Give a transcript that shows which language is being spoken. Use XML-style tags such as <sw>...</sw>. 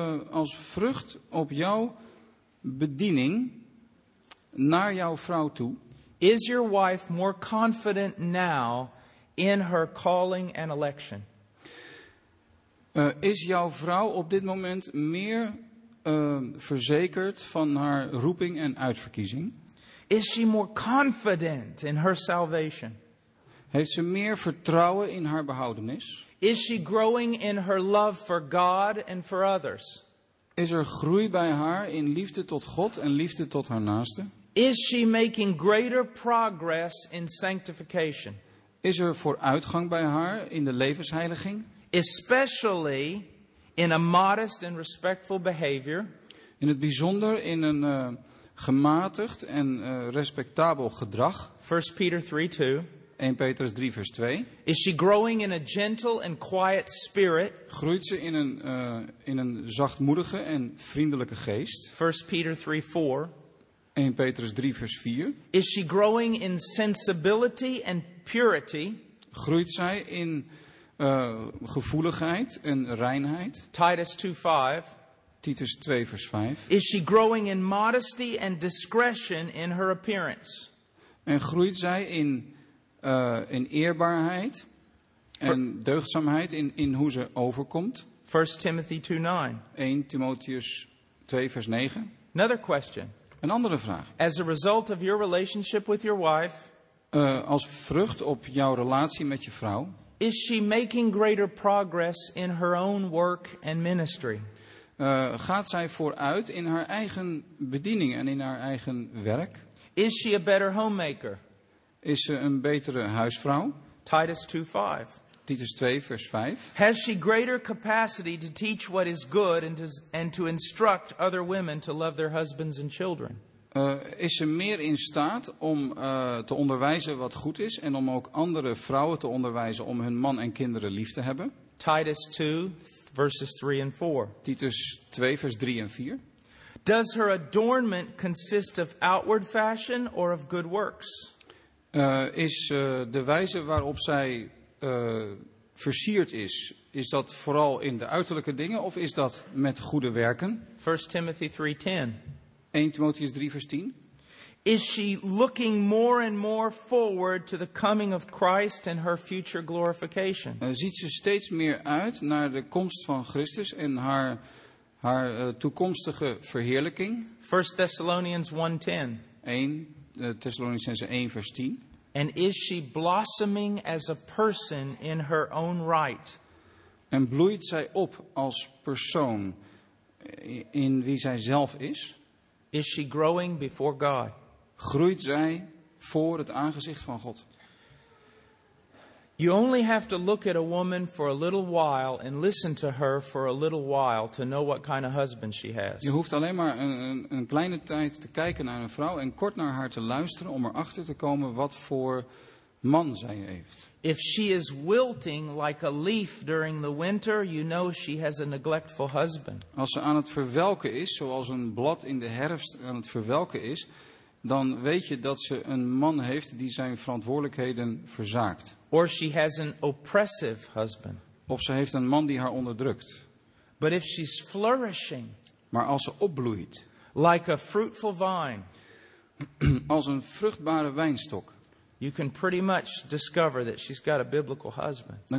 <nl>Als vrucht op jouw bediening naar jouw vrouw toe.</nl> <en>Is your wife more confident now in her calling and election?</en> <nl>Is jouw vrouw op dit moment meer verzekerd van haar roeping en uitverkiezing?</nl> <en>Is she more confident in her salvation?</en> <nl>Heeft ze meer vertrouwen in haar behoudenis?</nl> <en>Is she growing in her love for God and for others?</en> <nl>Is er groei bij haar in liefde tot God en liefde tot haar naaste?</nl> <en>Is she making greater progress in sanctification?</en> <nl>Is er vooruitgang bij haar in de levensheiliging?</nl> <en>Especially in a modest and respectful behavior.</en> <nl>In het bijzonder in een gematigd en respectabel gedrag.</nl> <en>1 Peter 3:2.</en> <nl>1 Petrus 3 vers 2.</nl> <en>Is she growing in a gentle and quiet spirit?</en> <nl>Groeit ze in een zachtmoedige en vriendelijke geest?</nl> <en>1 Peter 3:4.</en> <nl>1 Petrus 3 vers 4.</nl> <en>Is she growing in sensibility and purity?</en> <nl>Groeit zij in gevoeligheid en reinheid?</nl> <en>Titus 2:5.</en> <nl>Titus 2 vers 5.</nl> <en>Is she growing in modesty and discretion in her appearance?</en> <nl>En groeit zij in eerbaarheid en deugdzaamheid in hoe ze overkomt.</nl> <en>1 Timothy 2:9.</en> <nl>1 Timotheus 2 vers 9.</nl> <en>Another question.</en> <nl>Een andere vraag.</nl> <en>As a result of your relationship with your wife,</en> <nl>als vrucht op jouw relatie met je vrouw,</nl> <en>is she making greater progress in her own work and ministry?</en> <nl>Gaat zij vooruit in haar eigen bediening en in haar eigen werk?</nl> <en>Is she a better homemaker?</en> <nl>Is ze een betere huisvrouw?</nl> <en>Titus 2:5.</en> <nl>Titus 2 vers 5.</nl> <en>Has she greater capacity to teach what is good and to instruct other women to love their husbands and children?</en> <nl>Is ze meer in staat om te onderwijzen wat goed is en om ook andere vrouwen te onderwijzen om hun man en kinderen lief te hebben?</nl> <en>Titus 2 verses 3 and 4.</en> <nl>Titus 2 vers 3 en 4.</nl> <en>Does her adornment consist of outward fashion or of good works?</en> <nl>Is de wijze waarop zij versierd is, is dat vooral in de uiterlijke dingen of is dat met goede werken?</nl> <en>1 Timothy 3:10.</en> <nl>1 Timotheus 3 vers 10.</nl> <en>Is she looking more and more forward to the coming of Christ and her future glorification?</en> <nl>Ziet ze steeds meer uit naar de komst van Christus en haar toekomstige verheerlijking?</nl> <en>1 Thessalonians 1:10.</en> <nl>1 Thessalonians 1 vers 10.</nl> <en>And is she blossoming as a person in her own right?</en> <nl>En bloeit zij op als persoon in wie zij zelf is?</nl> <en>Is she growing before God?</en> <nl>Groeit zij voor het aangezicht van God?</nl> <en>You only have to look at a woman for a little while and listen to her for a little while to know what kind of husband she has.</en> <nl>Je hoeft alleen maar een kleine tijd te kijken naar een vrouw en kort naar haar te luisteren om erachter te komen wat voor man zij heeft.</nl> <en>If she is wilting like a leaf during the winter, you know she has a neglectful husband.</en> <nl>Als ze aan het verwelken is, zoals een blad in de herfst aan het verwelken is, dan weet je dat ze een man heeft die zijn verantwoordelijkheden verzaakt.</nl> <en>Or she has an oppressive husband.</en> <nl>Of ze heeft een man die haar onderdrukt.</nl> <en>But if she's flourishing,</en> <nl>maar als ze opbloeit,</nl> <en>like a fruitful vine,</en> <nl>als een vruchtbare wijnstok,</nl> <en>you can pretty much discover that she's got a biblical husband.</en>